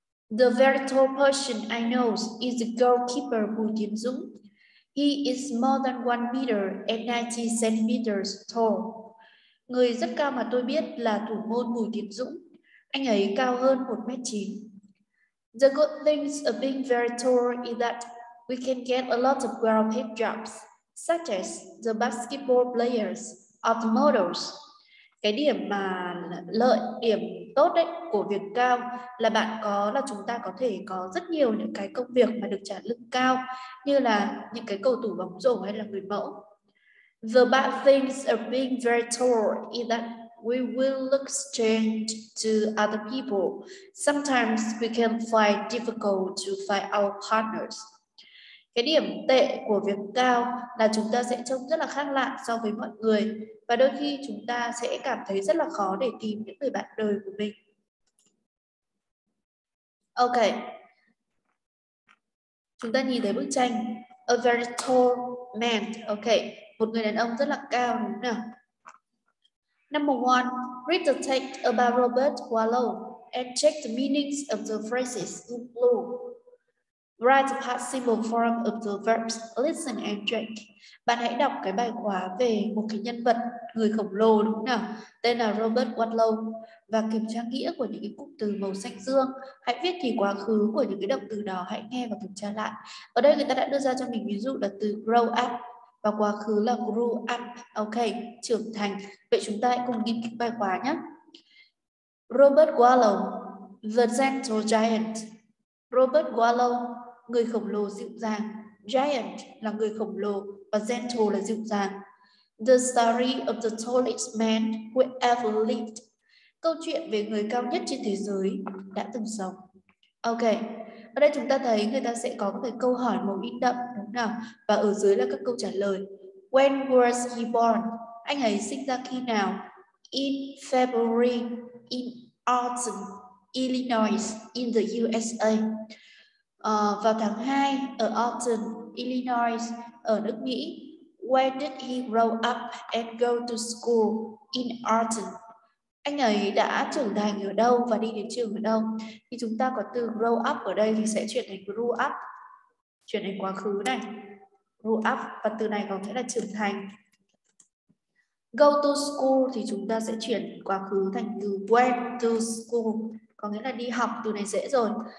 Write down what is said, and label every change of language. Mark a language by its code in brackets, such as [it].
[en] The very tall person I know is the goalkeeper Bùi Tiến Dũng. He is more than 1 meter and 90 centimeters tall. [vi] Người rất cao mà tôi biết là thủ môn Bùi Tiến Dũng. Anh ấy cao hơn 1m9. [en] The good things of being very tall is that we can get a lot of well-paid jobs, such as the basketball players or the models. [vi] Cái điểm mà lợi điểm tốt đấy của việc cao là chúng ta có thể có rất nhiều những cái công việc mà được trả lương cao, như là những cái cầu thủ bóng rổ hay là người mẫu. [en] The bad things of being very tall is that we will look strange to other people. Sometimes we can find difficult to find our partners. [vi] Cái điểm tệ của việc cao là chúng ta sẽ trông rất là khác lạ so với mọi người, và đôi khi chúng ta sẽ cảm thấy rất là khó để tìm những người bạn đời của mình. Ok, chúng ta nhìn thấy bức tranh. [en] A very tall man. [vi] Ok, một người đàn ông rất là cao, đúng không nào? [en] Number one, read the text about Robert Wallow and check the meanings of the phrases in blue. Write the past simple form of the verbs listen and drink. [vi] Bạn hãy đọc cái bài khóa về một cái nhân vật người khổng lồ, đúng không nào? Tên là Robert Wadlow, và kiểm tra nghĩa của những cái cụm từ màu xanh dương. Hãy viết thì quá khứ của những cái động từ đó, hãy nghe và kiểm tra lại. Ở đây người ta đã đưa ra cho mình ví dụ là từ grow up, và quá khứ là grew up. Ok, trưởng thành. Vậy chúng ta hãy cùng nghiên cứu bài khóa nhé. Robert Wadlow, [en] the gentle giant. [vi] Robert Wadlow, người khổng lồ dịu dàng. Giant là người khổng lồ, và gentle là dịu dàng. [en] The story of the tallest man who ever lived. [vi] Câu chuyện về người cao nhất trên thế giới đã từng sống. Ok, ở đây chúng ta thấy người ta sẽ có một cái câu hỏi màu in đậm, đúng nào? Và ở dưới là các câu trả lời. [en] When was he born? [vi] Anh ấy sinh ra khi nào? [en] In February, in autumn, Illinois, in the USA. [vi] Vào tháng 2 ở Austin, Illinois, ở nước Mỹ. [en] Where did he grow up and go to school? In Austin. [vi] Anh ấy đã trưởng thành ở đâu và đi đến trường ở đâu? Thì chúng ta có từ grow up ở đây thì sẽ chuyển thành grew up, chuyển thành quá khứ này. Grow up, và từ này có nghĩa là trưởng thành. Go to school thì chúng ta sẽ chuyển quá khứ thành từ went to school, có nghĩa là đi học, từ này dễ rồi.